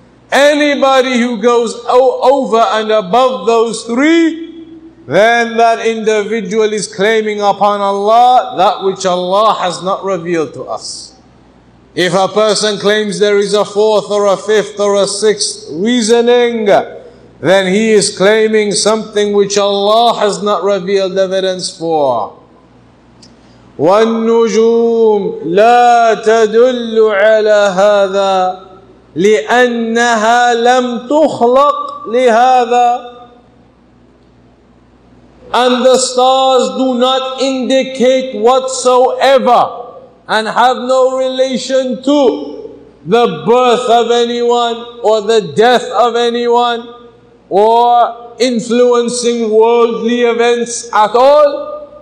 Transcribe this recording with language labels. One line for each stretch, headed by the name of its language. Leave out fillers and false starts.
English: Anybody who goes over and above those three, then that individual is claiming upon Allah that which Allah has not revealed to us. If a person claims there is a fourth or a fifth or a sixth reasoning, then he is claiming something which Allah has not revealed evidence for.
Arabic: والنجوم لا تدل على هذا لأنها لم تخلق لهذا.
English: And the stars do not indicate whatsoever and have no relation to the birth of anyone or the death of anyone or influencing worldly events at all.